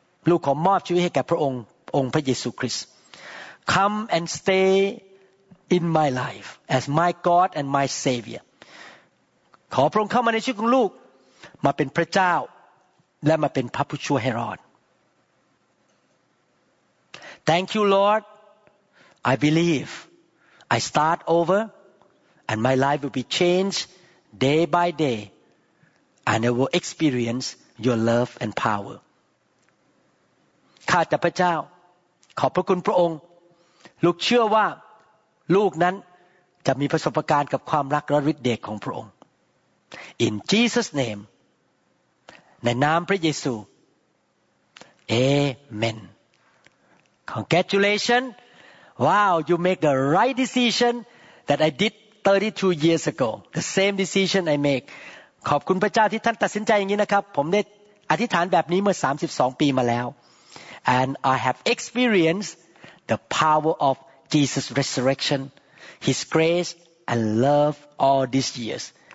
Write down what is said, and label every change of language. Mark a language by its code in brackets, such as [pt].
[th] ลูกขอมอบชีวิตให้แก่พระองค์องค์พระเยซูคริสต์ [en] Come and stayIn my life, as my God and my Savior, [th] ขอพระองค์เข้ามาในชีวิตของลูกมาเป็นพระเจ้าและมาเป็นพระผู้ช่วยให้รอด [en] Thank you, Lord. I believe. I start over, and my life will be changed day by day, and I will experience your love and power. [th] ข้าแต่พระเจ้าขอพระคุณพระองค์ลูกเชื่อว่าลูกนั้นจะมีประสบการณ์กับความรักและฤทธิ์เดชของพระองค์ [en] In Jesus name [th] ในนามพระเยซู [en] Amen Congratulations Wow you make the right decision that I did 32 years ago the same decision I make [th] ขอบคุณพระเจ้าที่ท่านตัดสินใจอย่างนี้นะครับผมได้อธิษฐานแบบนี้เมื่อ32ปีมาแล้ว [en] And I have experienced the power ofJesus' resurrection, His grace and love all these years.